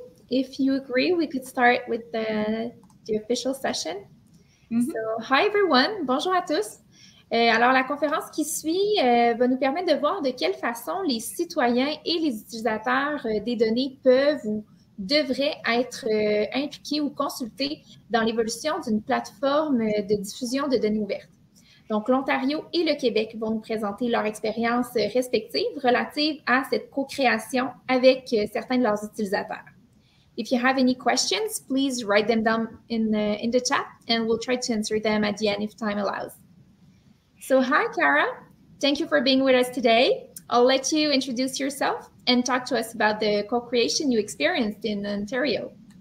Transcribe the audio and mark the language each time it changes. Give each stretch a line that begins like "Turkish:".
English: If you agree, we could start with the official session. Mm-hmm. So, hi everyone,
French: bonjour à tous. Alors, la conférence qui suit va nous permettre de voir de quelle façon les citoyens et les utilisateurs des données peuvent ou devraient être impliqués ou consultés dans l'évolution d'une plateforme de diffusion de données ouvertes. Donc, l'Ontario et le Québec vont nous présenter leur expérience respective relative à cette co-création avec certains de leurs utilisateurs.
English: If you have any questions, please write them down in the chat and we'll try to answer them at the end if time allows. So hi, Kara. Thank you for being with us today. I'll let you introduce yourself and talk to us about the co-creation you experienced in Ontario.